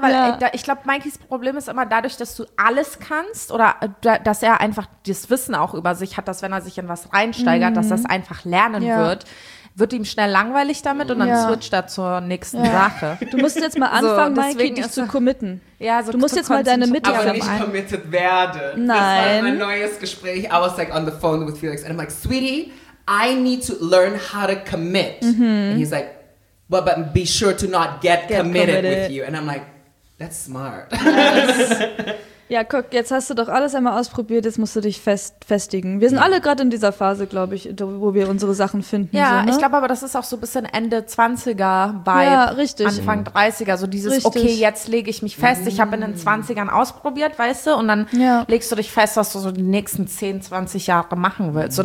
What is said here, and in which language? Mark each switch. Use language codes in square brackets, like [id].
[de] Weil ich glaube, Mikeys Problem ist immer dadurch, dass du alles kannst oder dass er einfach das Wissen auch über sich hat, dass wenn er sich in was reinsteigert, dass er es einfach lernen wird. Wird ihm schnell langweilig damit und dann switcht er zur nächsten Sache. Du musst jetzt mal anfangen, so, Mikey, dich zu committen. Ja, so du musst jetzt mal deine Mitte haben. Aber nicht committed werde. Nein. Das war mein neues Gespräch. [en] I was like on the phone with Felix and I'm like, sweetie, I need to learn how to commit. And he's like, well, but be sure to not get committed with you. And I'm like, that's smart. [de] Ja, guck, jetzt hast du doch alles einmal ausprobiert, jetzt musst du dich festigen. Wir sind alle gerade in dieser Phase, glaube ich, wo wir unsere Sachen finden. Ja, so, ne? Ich glaube aber, das ist auch so ein bisschen Ende 20er Vibe. Ja, richtig. Anfang 30er, so dieses, richtig. Okay, jetzt lege ich mich fest. Ich habe in den 20ern ausprobiert, weißt du, und dann legst du dich fest, was du so die nächsten 10, 20 Jahre machen willst.